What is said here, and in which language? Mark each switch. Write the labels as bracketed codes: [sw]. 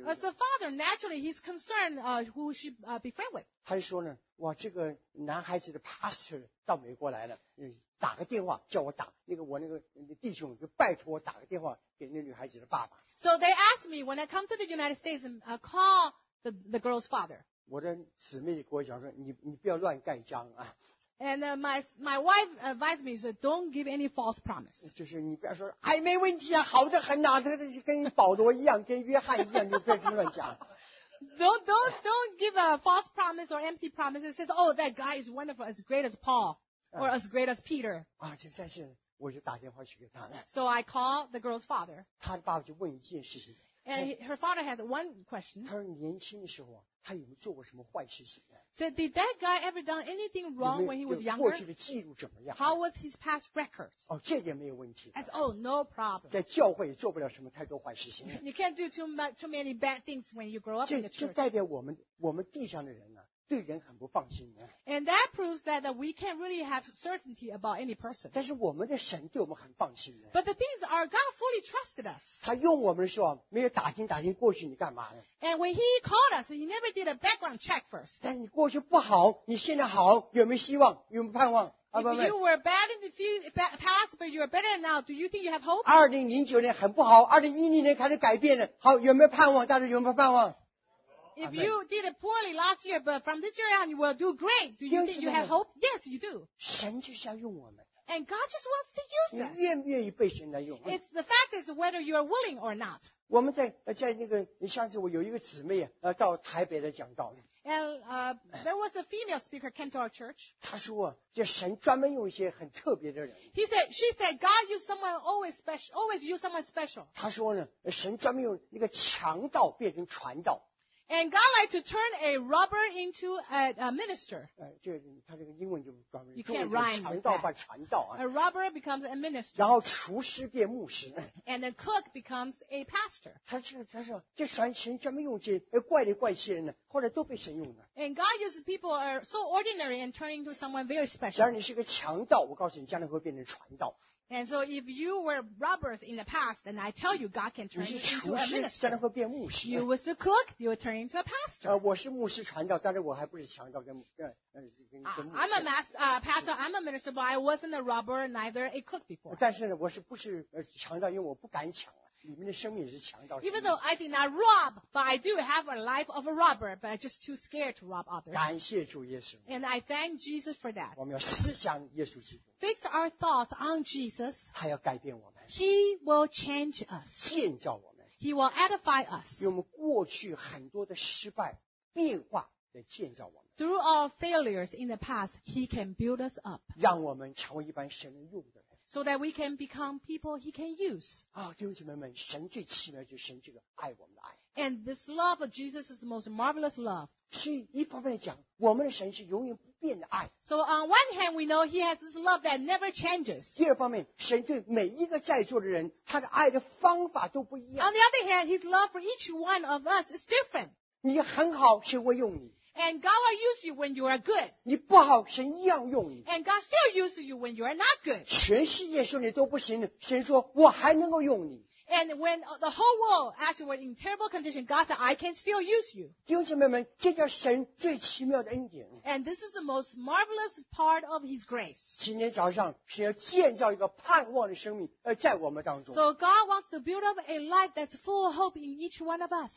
[en] as the father, naturally, he's concerned who she befriend with. [zh] 她就说呢, 哇这个男孩子的pastor到美国来了, 打个电话叫我打, 那个我那个弟兄就拜托我打个电话给那女孩子的爸爸。 [en] So they asked me, when I come to the United States, call the girl's father. [zh] 我的姊妹跟我讲说, 你不要乱盖章啊。 [en] And my wife advised me, so don't give any false promise. [zh] 就是你不要说, 哎没问题啊, 好得很啊, 跟保罗一样, 跟约翰一样, 你不要这么乱讲。 [en] Don't give a false promise or empty promise that says, oh, that guy is wonderful, as great as Paul, or as great as Peter. [zh] 啊,这算是,我就打电话去给他。 [en] So I called the girl's father. [zh] 他的爸爸就问一件事情, [en] and her father has one question. [zh] 他说年轻的时候, 他有没有做过什么坏事情呢? [en] Said, did that guy ever done anything wrong when he was younger? [zh] 过去的记录怎么样? [en] How was his past record? [zh] 哦,这也没有问题。 [en] As, oh, no problem. [zh] 在教会也做不了什么太多坏事情。 [en] You can't do too many bad things when you grow up [zh] 这, [en] in the church. [zh] 这代表我们地上的人啊, 对人很不放心啊。 [en] And that proves that we can't really have certainty about any person. [zh] 但是我们的神对我们很放心啊。 [en] But the thing is, our God fully trusted us. [zh] 他用我们的时候, 没有打听过去你干嘛呢? [en] And when He called us, He never did a background check first. [zh] 但你过去不好, 你现在好, 有没有希望, 有没有盼望? [en] If you were bad in the past, but you are better now, do you think you have hope? [zh] 2009年很不好, 2011年开始改变了, 好, 有没有盼望? 但是有没有盼望? [en] If you did it poorly last year, but from this year on you will do great, do you think you have hope? Yes, you do. [zh] 神就是要用我们。 [en] And God just wants to use us. [zh] 你愿不愿意被神来用? [en] It's the fact is whether you are willing or not. [zh] 我们在那个上次我有一个姊妹, 到台北来讲道。 [en] And there was a female speaker came to our church. [zh] 她说, 这神专门用一些很特别的人。 [en] She said, God used someone always special, always use someone special. [zh] 她说呢, 神专门用那个强盗变成传道。 [en] And God like to turn a robber into a minister. [zh] 这个他这个英文就专门, [en] you can't rhyme with that. A robber becomes a minister. [zh] 然后厨师变牧师, [en] and a cook becomes a pastor. [zh] 他说这神专门用这怪里怪气人的, [en] and God uses people who are so ordinary and turning into someone very special. [zh] 假如你是个强盗, 我告诉你, 将来会变成传道。 [en] And so if you were robbers in the past, then I tell you God can turn you into a minister. [zh] 你是厨师，将来会变牧师。 [en] You was the cook, you would turn into a pastor. [zh] 我是牧师传道，但是我还不是强盗跟 [en] I'm a pastor, I'm a minister, but I wasn't a robber, neither a cook before. [zh] 但是我是不是强盗，因为我不敢抢。 [en] Even though I did not rob, but I do have a life of a robber, but I'm just too scared to rob others. [zh] 感谢主耶稣。 [en] And I thank Jesus for that. [zh] 我们要思想耶稣基督。 [en] Fix our thoughts on Jesus. [zh] 他要改变我们。 [en] He will change us. [zh] 建造我们。 [en] He will edify us. [zh] 用我们过去很多的失败变化来建造我们。 [en] Through our failures in the past, He can build us up. [zh] 让我们成为一般神用的。 [en] So that we can become people he can use. [zh] 啊，弟兄姐妹们，神最奇妙就是神这个爱我们的爱。 [en] And this love of Jesus is the most marvelous love. [zh] 是一方面讲，我们的神是永远不变的爱。 [en] So on one hand, we know he has this love that never changes. [zh] 第二方面，神对每一个在座的人，他的爱的方法都不一样。 [en] On the other hand, his love for each one of us is different. [zh] 你很好，神会用你。 [en] And God will use you when you are good. [zh] 你不好，神一样用你。 [en] And God still uses you when you are not good. [zh] 全世界说你都不行，神说我还能够用你。 [en] And when the whole world asked you were in terrible condition, God said, I can still use you. [zh] 弟兄姐妹们，这叫神最奇妙的恩典。 [en] And this is the most marvelous part of His grace. [zh] 今天早上，神要建造一个盼望的生命，在我们当中。 [en] So God wants to build up a life that's full of hope in each one of us.